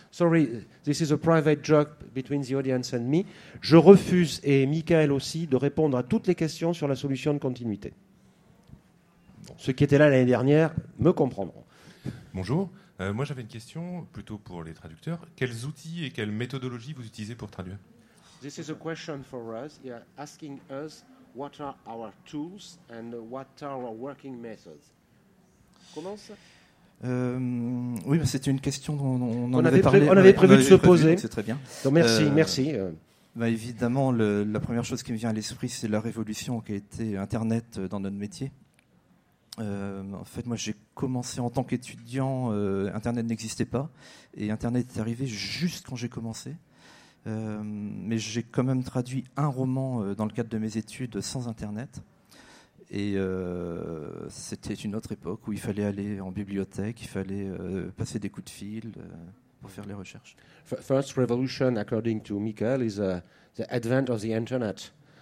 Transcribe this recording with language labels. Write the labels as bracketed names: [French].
[English] Sorry, this is a private joke between the audience and me. [French] Je refuse, et Michael aussi, de répondre à toutes les questions sur la solution de continuité. Ceux qui étaient là l'année dernière me comprendront. Bonjour. Moi, j'avais une question plutôt pour les traducteurs. Quels outils et quelles méthodologies vous utilisez pour traduire? [English] This is a question for us. You are asking us what are our tools and what are our working methods. [French] Comment ça? Oui, mais c'était une question dont on avait prévu de se poser. C'est très bien. Donc, merci. Évidemment, la première chose qui me vient à l'esprit, c'est la révolution qui a été Internet dans notre métier. En fait, moi, j'ai commencé en tant qu'étudiant. Internet n'existait pas, et Internet est arrivé juste quand j'ai commencé. Mais j'ai quand même traduit un roman dans le cadre de mes études sans Internet, et c'était une autre époque où il fallait aller en bibliothèque, il fallait passer des coups de fil pour faire les recherches. [English] First revolution, according to Michael, is the advent of the Internet.